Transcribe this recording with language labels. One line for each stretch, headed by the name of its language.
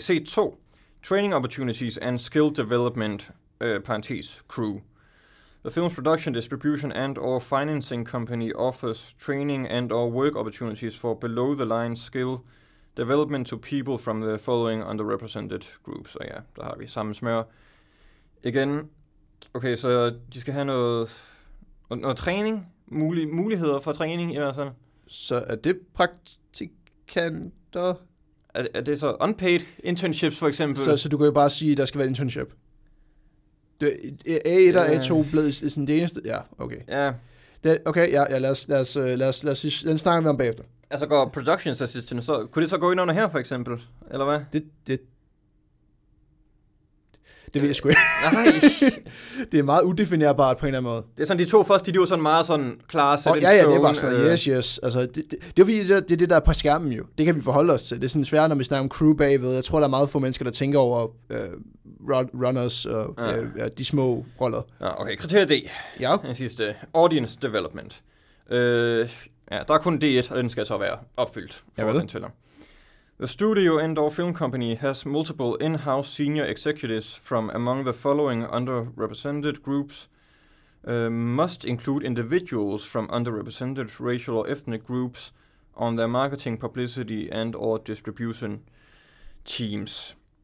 English: C2, Training Opportunities and Skill Development, parentheses, crew. The film's production, distribution and or financing company offers training and or work opportunities for below the line skill development to people from the following underrepresented groups.
Danish: Så ja, der har vi samme smør. Igen, okay, så de skal have noget træning, muligheder for træning i hvert fald. Så er det praktikanter? Er det så
English: unpaid internships
Danish: for eksempel? Så du kan jo bare sige, at der skal være internship. A1 og A2 blev sådan det eneste. Ja, okay. Ja. Okay, ja, lad os snakke med ham bagefter. Altså går production assistant, så kunne det så gå ind under her for eksempel, eller hvad? Det ved jeg sgu ikke. Nej. Det er meget udefinerbart på en eller anden måde. Det er sådan, de to første, de var sådan meget sådan klare. Ja, det er bare sådan,
English: yes.
Danish: Altså, det er der er på skærmen jo. Det kan vi forholde os til. Det er sådan svært, når vi snakker om crew bagved. Jeg tror, der er meget få mennesker, der tænker over runners og ja. De små roller. Ja, okay. Kriteriet D. Ja. Den sidste. Audience development. Ja, der er kun D1, og den skal så være opfyldt. Jeg ved det.
English: The studio and/or film company has multiple in-house senior executives from among the following underrepresented groups. Must include individuals from underrepresented racial or ethnic groups on their marketing, publicity and/or distribution teams.